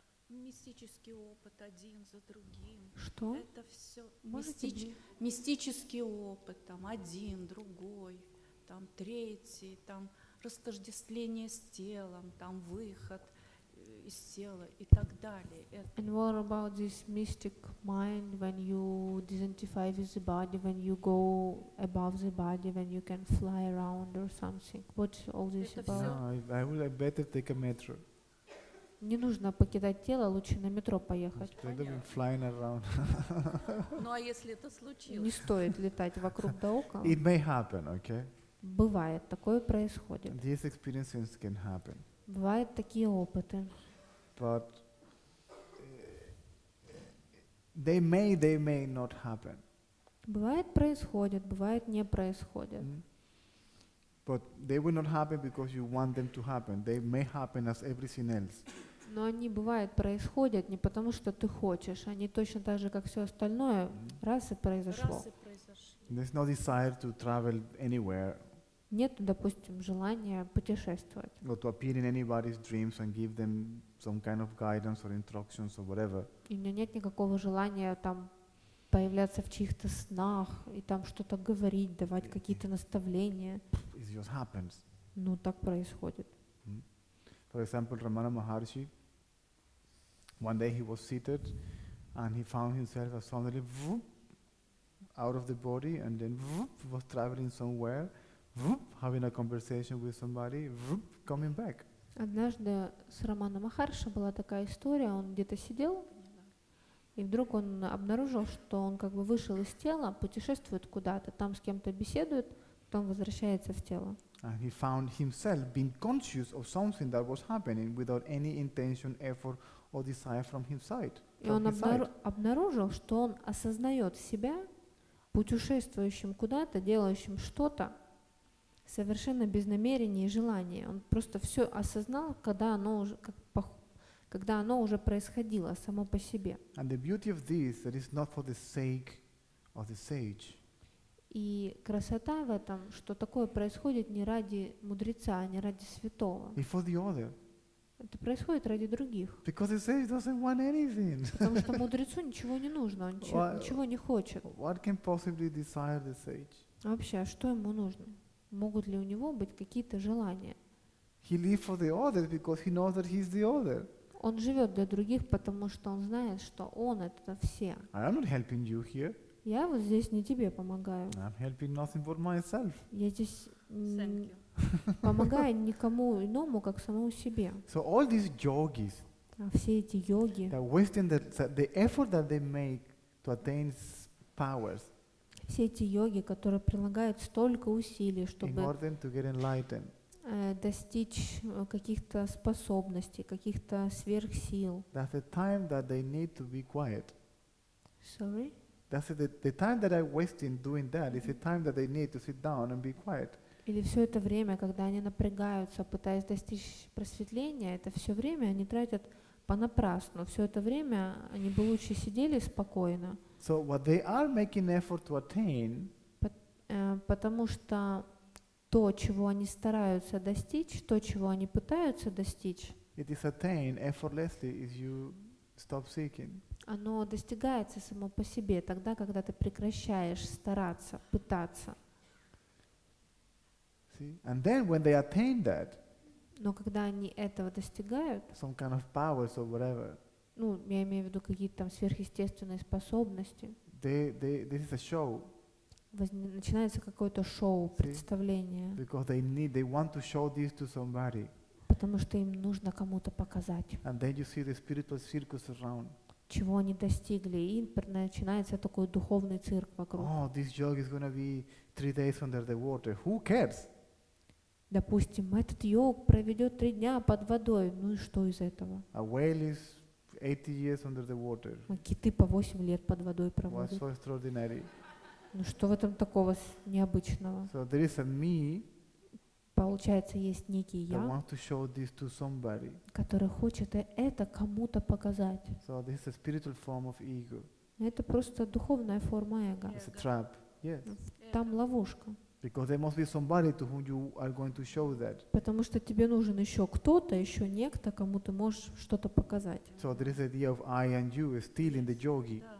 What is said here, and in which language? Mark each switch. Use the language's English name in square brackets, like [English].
[Russian] Мистический опыт один за другим. Что? Это все мистический опыт, там один, другой, там третий, там растождествление с телом, там выход из тела и так далее. [English] And what about this mystic mind when you identify with the body, when you go above the body, when you can fly around or something? What's all this [Russian] это [English] about? I would better take a metro. [Russian] Не нужно покидать тело, лучше на метро поехать. [English] Instead of flying around. [Russian] Ну а если это случилось? Не стоит летать вокруг да около. [English] It may happen, okay? [Russian] Бывает, такое происходит. [English] These experiences can happen. [Russian] Бывают такие опыты. [English] But they may not happen. [Russian] Бывает происходит, бывает не происходит. [English] But they will not happen because you want them to happen. They may happen as everything else. [Russian] Но они бывают происходят не потому что ты хочешь, они точно так же как все остальное раз и произошло. [English] There's no desire to travel anywhere. [Russian] Нет, допустим, желания путешествовать. [English] Or to appear in anybody's dreams and give them some kind of guidance or instructions or whatever. [Russian] И у меня нет никакого желания там появляться в чьих-то снах и там что-то говорить, давать какие-то наставления. [English] It just happens. [Russian] Ну, так происходит. [English] For example, Ramana Maharshi, one day he was seated and he found himself suddenly out of the body and then was traveling somewhere. Having a conversation with somebody, coming back. [Russian] Однажды с Романом Махарши была такая история. Он где-то сидел, и вдруг он обнаружил, что он как бы вышел из тела, путешествует куда-то, там с кем-то беседует, потом возвращается в тело. [English] And he found himself being conscious of something that was happening without any intention, effort, or desire from his side. [Russian] И он обнаружил, что он осознает себя путешествующим куда-то, делающим что-то совершенно без намерения и желания. Он просто все осознал, когда оно уже как когда оно уже происходило само по себе. [English] And the beauty of this that is not for the sake of the sage. [Russian] И красота в этом, что такое происходит не ради мудреца, не ради святого. [English] It's for the other. [Russian] Это происходит ради других. [English] Because the sage doesn't want anything. [Russian] Потому что мудрецу ничего не нужно, он ничего не хочет. [English] What can possibly desire the sage? [Russian] Вообще, что ему нужно? Могут ли у него быть какие-то желания? [English] He lives for the other because he knows that he's the other. [Russian] Он живет для других, потому что он знает, что он — это все. [English] I'm not helping you here. [Russian] Я вот здесь не тебе помогаю. [English] I'm helping nothing but myself. [Russian] Я здесь помогаю никому иному, как самому себе. [English] So all these yogis, [Russian] а все эти йоги, [English] the effort that they make to attain powers, [Russian] все эти йоги, которые прилагают столько усилий, чтобы [English] in order to get enlightened, [Russian] достичь каких-то способностей, каких-то сверхсил. [English] That's the time that they need to be quiet. Sorry? That's the time that I waste in doing that is the time that they need to sit down and be quiet. [Russian] Или все это время, когда они напрягаются, пытаясь достичь просветления, это все время они тратят понапрасну. Все это время они бы лучше сидели спокойно. [English] So what they are making effort to attain, [Russian] потому что то, чего они стараются достичь, то, чего они пытаются достичь, [English] it is attained effortlessly if you stop seeking. [Russian] Оно достигается само по себе, тогда, когда ты прекращаешь стараться, пытаться. [English] See? And then when they attain that, [Russian] но когда они этого достигают, [English] some kind of powers or whatever, [Russian] ну, я имею в виду какие-то там сверхъестественные способности, [English] this is a show. [Russian] Начинается какое-то шоу, представление. [English] Because they need, they want to show this to somebody. [Russian] Потому что им нужно кому-то показать. [English] And then you see the spiritual circus around. [Russian] Чего они достигли, и начинается такой духовный цирк вокруг. [English] Oh, this yogi is gonna be 3 days under the water. Who cares? [Russian] Допустим, этот йог проведет 3 дня под водой. Ну и что из этого? [English] A whale is 80 years under the water. [Russian] Киты по 8 лет под водой проводят. [English] What's so extraordinary? [Russian] Ну что в этом такого необычного? [English] So there is a me, [Russian] получается, есть некий я, [English] that wants to show this to somebody, [Russian] который хочет это кому-то показать. [English] So this is a spiritual form of ego. [Russian] Это просто духовная форма эго. [English] It's a trap. Yes. [Russian] Там ловушка. [English] Because there must be somebody to whom you are going to show that. [Russian] Потому что тебе нужен еще кто-то, еще некто, кому ты можешь что-то показать. [English] So there is the idea of I and you still in the yogi.